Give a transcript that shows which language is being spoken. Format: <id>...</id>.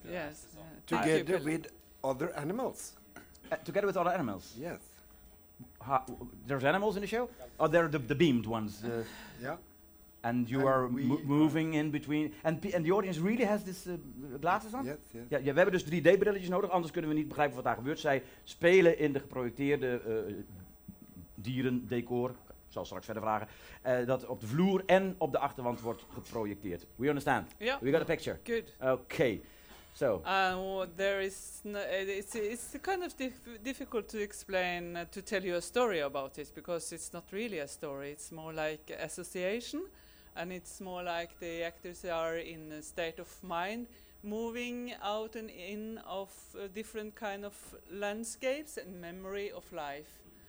<en>to yes. Yeah. Together with other animals. Together with other animals? Yes. There's animals in the show? Oh, they're the beamed ones. Yeah. And you and are moving in between. And the audience really has this glasses on? Yes, yes.</en> <nl>Ja, ja, we hebben dus 3D-brilletjes nodig, anders kunnen we niet begrijpen wat daar gebeurt. Zij spelen in de geprojecteerde dierendecor. Ik zal straks verder vragen. Dat op de vloer en op de achterwand wordt geprojecteerd.</nl> <en>We understand? Yeah. We got a picture. Good. Okay. So. It's kind of difficult to explain, to tell you a story about it, because it's not really a story. It's more like association, and it's more like the actors are in a state of mind, moving out and in of different kind of landscapes and memory of life.</en>